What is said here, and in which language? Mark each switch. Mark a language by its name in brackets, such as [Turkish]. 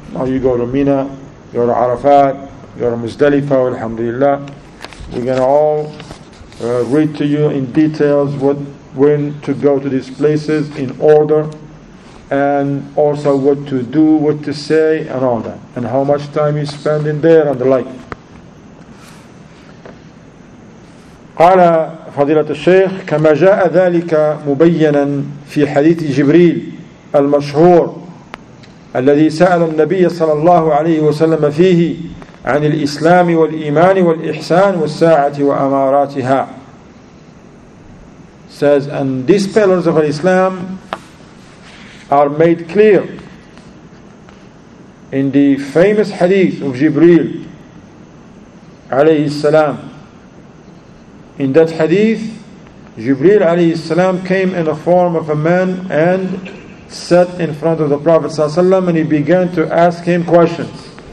[English] Now you go to Mina, you go to Arafat, you go to Muzdalifa, alhamdulillah. We're going to all read to you in details what, when to go to these places in order, and also what to do, what to say, and all that, and how much time you spend in there and the like. [Arabic] قال فضيلة الشيخ كما جاء ذلك مبينا في حديث جبريل المشهور الذي سأل النبي صلى الله عليه وسلم فيه عن الإسلام والإيمان والإحسان والساعة وأماراتها. [English] Says, and these pillars of Islam are made clear in the famous hadith of Jibreel [Arabic] عليه السلام. [English] In that hadith, Jibreel [Arabic] عليه السلام [English] came in the form of a man and sat in front of the Prophet [Arabic] صلى الله عليه وسلم, [English] and he began to ask him questions.